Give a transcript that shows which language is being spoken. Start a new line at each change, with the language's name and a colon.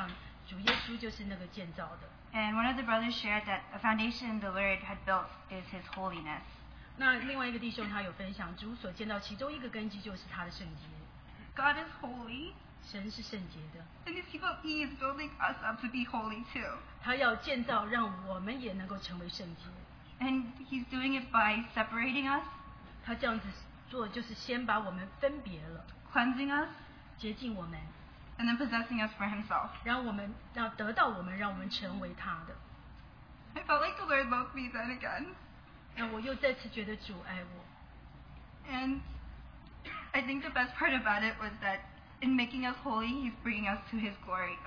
Chinese: 那我们有讲到就是在有一些基础上，主耶稣就是那个建造的。
English: And one of the brothers shared that a foundation the Lord had built is His holiness.
Chinese: 那另外一个弟兄他有分享，主所建造其中一个根基就是他的圣洁。
English: God is holy.
Chinese: 神是圣洁的。
English: And He is building us up to be holy too.
Chinese: 他要建造让我们也能够成为圣洁。
English: And He's doing it by separating us.
Chinese: 他这样子做就是先把我们分别了。
English: Cleansing us.
Chinese: 洁净我们。
English: And then possessing us for Himself.
Chinese: 让我们要得到我们，让我们成为他的。
English: I felt like the Lord loved me then again.
Chinese: 那我又再次觉得主爱我。
English: And I think the best part about it was that in making us holy, He's bringing us to His glory.